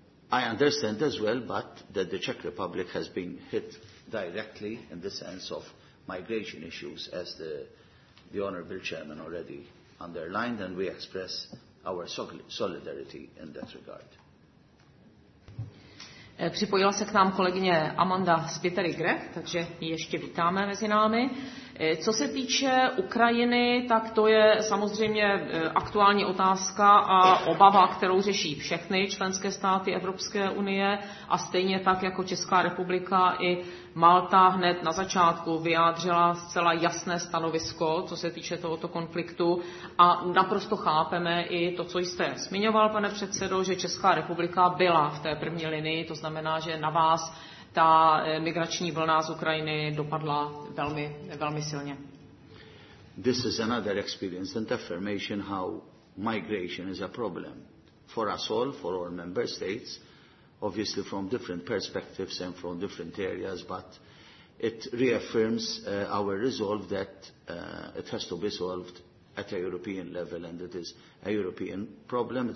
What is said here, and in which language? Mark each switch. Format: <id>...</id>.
<en>I understand as well, but that the Czech Republic has been hit directly in the sense of migration issues, as the Honourable Chairman already underlined, and we express our solidarity in that regard.</en> <cs>Připojila se k nám kolegyně Amanda Spiteri-Greff, takže ji ještě vítáme mezi námi. Co se týče Ukrajiny, tak to je samozřejmě aktuální otázka a obava, kterou řeší všechny členské státy Evropské unie a stejně tak jako Česká republika i Malta hned na začátku vyjádřila zcela jasné stanovisko, co se týče tohoto konfliktu a naprosto chápeme i to, co jste zmiňoval, pane předsedo, že Česká republika byla v té první linii, to znamená, že na vás ta migrační vlna z Ukrajiny dopadla velmi, velmi silně.</cs> <en>This is another experience and affirmation how migration is a problem for us all, for all member states, obviously from different perspectives and from different areas, but it reaffirms our resolve that it has to be solved at a European level and it is a European problem.</en>